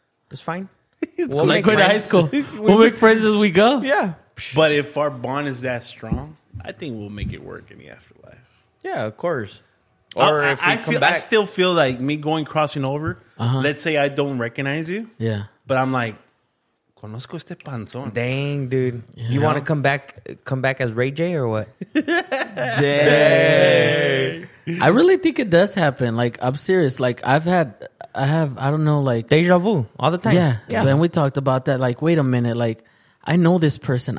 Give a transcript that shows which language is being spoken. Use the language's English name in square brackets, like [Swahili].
[English] It's fine. It's like going to high school. We'll make friends as we go. Yeah. But if our bond is that strong, I think we'll make it work in the afterlife. Yeah, of course. I still feel like me going crossing over. Uh-huh. Let's say I don't recognize you. Yeah. But I'm like, [Spanish] conozco este panzón. [English] Dang, dude. Yeah. You want to come back as Ray J or what? Dang. I really think it does happen. Like, I'm serious. Like, I have deja vu all the time. Yeah. Yeah. Then we talked about that. Like, wait a minute. Like, I know this person.